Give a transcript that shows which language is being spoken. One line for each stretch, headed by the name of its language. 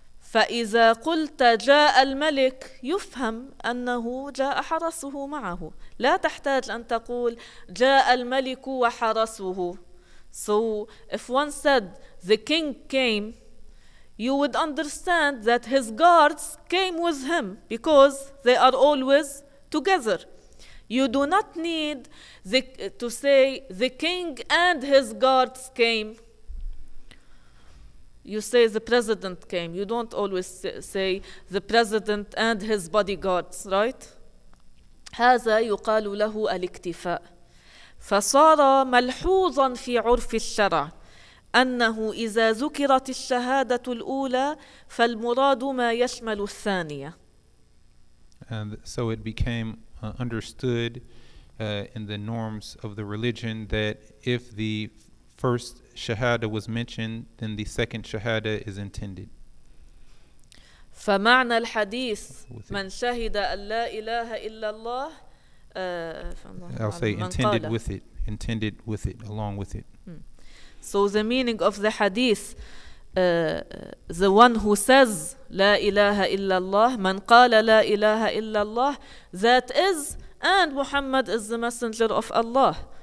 Arabic: فإذا قلت جاء الملك يفهم أنه جاء حرسه معه، لا تحتاج أن تقول جاء الملك وحرسه.
English: So if one said the king came, you would understand that his guards came with him because they are always together. You do not need to say the king and his guards came. You say the president came. You don't always say the president and his bodyguards, right?
Arabic: هذا يقال له الاكتفاء. فصار ملحوظا في عرف الشرع أنه إذا ذكرت الشهادة الأولى فالمراد ما يشمل الثانية.
English: And so it became understood in the norms of the religion that if the first shahada was mentioned, then the second shahada is intended.
Arabic: فمعنى الحديث من شهد أن لا إله إلا الله.
English: I'll say intended with it. Intended with it, along with it. So the meaning of the hadith, the one who says
Arabic: لا إله إلا الله,
English: من قال لا إله إلا الله, that is, and Muhammad is the messenger of Allah.